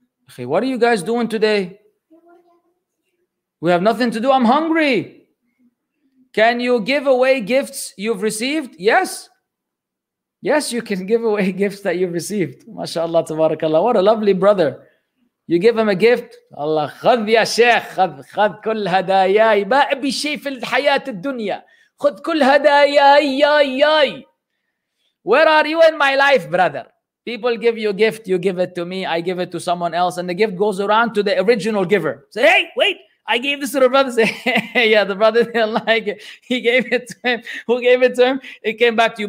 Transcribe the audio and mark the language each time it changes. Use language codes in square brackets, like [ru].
[en] Okay, what are you guys doing today? We have nothing to do. I'm hungry. Can you give away gifts you've received? Yes. Yes, you can give away gifts that you've received. MashaAllah, tabarakallah. What a lovely brother. You give him a gift. [ar] Allah, خذ يا شيخ خذ كل هداياي. ما أبي شيء في الحياة الدنيا. خذ كل هداياي. [en] Where are you in my life, brother? People give you a gift. You give it to me. I give it to someone else. And the gift goes around to the original giver. Say, hey, wait. I gave this to the brother. Say, yeah, the brother didn't like it. He gave it to him. Who gave it to him? It came back to you.